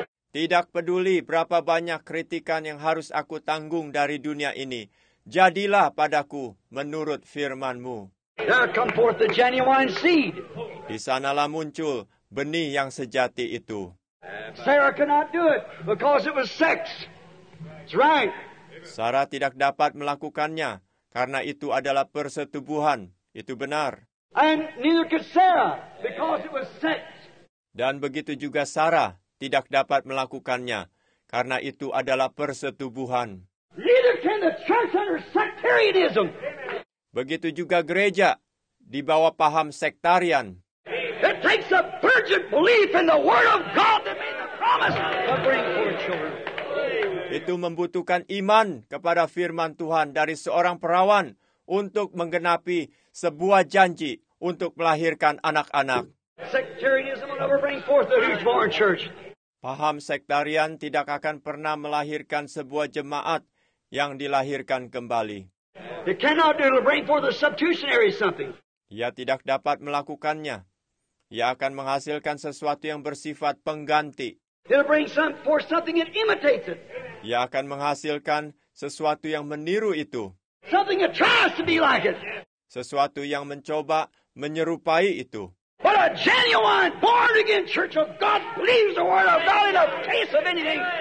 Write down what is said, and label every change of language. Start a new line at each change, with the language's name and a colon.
Indonesian: Tidak peduli berapa banyak kritikan yang harus aku tanggung dari dunia ini, jadilah padaku menurut firman-Mu.
English: There come forth the genuine seed.
Indonesian: Di sanalah muncul benih yang sejati itu.
English: Sarah cannot do it because it was sex. It's right.
Indonesian: Sarah tidak dapat melakukannya karena itu adalah persetubuhan. Itu benar.
English: And neither could Sarah because it was sex.
Indonesian: Dan begitu juga Sarah tidak dapat melakukannya karena itu adalah persetubuhan.
English: Neither can the church under sectarianism.
Indonesian: Begitu juga gereja di bawah paham sektarian.
English: It takes a virgin belief in the word of God that made the promise to bring forth children.
Indonesian: Itu membutuhkan iman kepada firman Tuhan dari seorang perawan untuk menggenapi sebuah janji untuk melahirkan anak-anak.
English: Sectarianism will never bring forth a huge born church.
Indonesian: Paham sektarian tidak akan pernah melahirkan sebuah jemaat yang dilahirkan kembali.
English: It cannot do to bring forth a substitutionary something.
Indonesian: Ia tidak dapat melakukannya. Ia akan menghasilkan sesuatu yang bersifat pengganti.
English: It'll bring some forth something it imitates.
Indonesian: Ia akan menghasilkan sesuatu yang meniru itu.
English: Something that tries to be like it.
Indonesian: Sesuatu yang mencoba menyerupai itu.
English: But a genuine born again church of God believes the word of God in the face of anything.